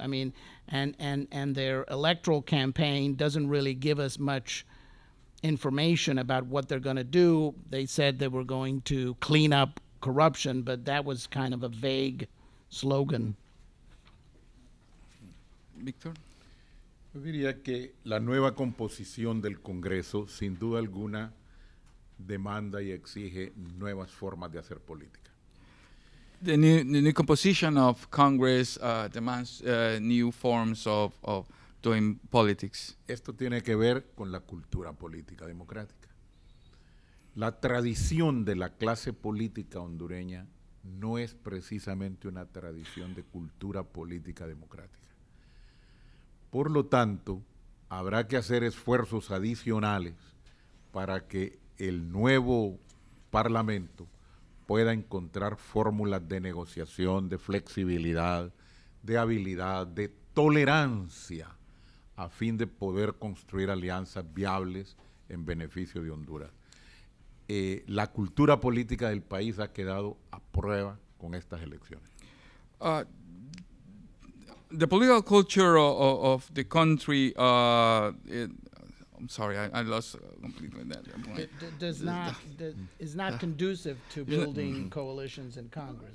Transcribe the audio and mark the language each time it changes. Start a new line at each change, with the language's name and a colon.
English: I mean, and their electoral campaign doesn't really give us much information about what they're going to do. They said they were going to clean up corruption, but that was kind of a vague slogan. Victor?
Spanish: Yo diría que la nueva composición del Congreso, sin duda alguna, demanda y exige nuevas formas de hacer política.
English: The new composition of Congress demands new forms of doing politics.
Spanish: Esto tiene que ver con la cultura política democrática. La tradición de la clase política hondureña no es precisamente una tradición de cultura política democrática. Por lo tanto, habrá que hacer esfuerzos adicionales para que el nuevo parlamento pueda encontrar fórmulas de negociación, de flexibilidad, de habilidad, de tolerancia, a fin de poder construir alianzas viables en beneficio de Honduras. La cultura política del país ha quedado a prueba con estas elecciones.
English: The political culture of the country, I'm sorry, I lost completely that point. Is not conducive to building coalitions in Congress.